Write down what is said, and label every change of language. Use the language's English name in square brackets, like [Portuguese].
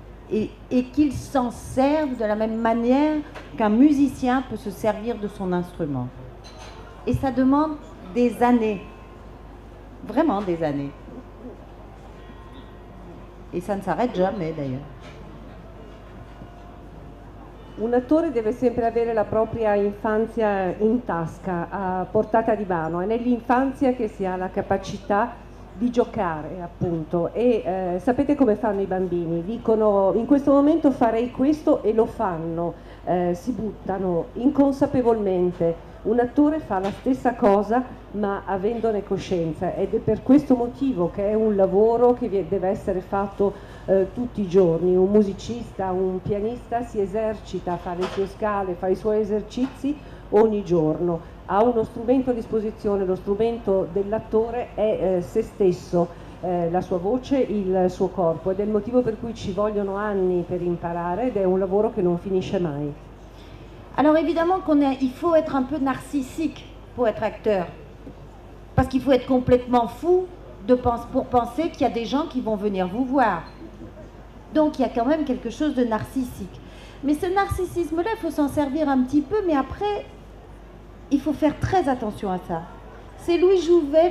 [French] et qu'ils s'en servent de la même manière qu'un musicien peut se servir de son instrument. Et ça demande des années, vraiment des années. Et ça ne s'arrête jamais d'ailleurs. [Italian] Un attore deve sempre avere la propria infanzia in tasca, a portata di mano. È nell'infanzia che si ha la capacità di giocare, appunto. E sapete come fanno i bambini? Dicono: in questo momento farei questo, e lo fanno, si buttano inconsapevolmente. Un attore fa la stessa cosa, ma avendone coscienza, ed è per questo motivo che è un lavoro che deve essere fatto tutti i giorni. Un musicista, un pianista si esercita, fa le sue scale, fa i suoi esercizi ogni giorno, ha uno strumento a disposizione, lo strumento dell'attore è se stesso, la sua voce, il suo corpo, ed è il motivo per cui ci vogliono anni per imparare, ed è un lavoro che non finisce mai. [French] Alors évidemment qu'on est, il faut être un peu narcissique pour être acteur, parce qu'il faut être complètement fou pour penser qu'il y a des gens qui vont venir vous voir. Donc il y a quand même quelque chose de narcissique. Mais ce narcissisme-là, il faut s'en servir un petit peu, mais après, il faut faire très attention à ça. C'est Louis Jouvet.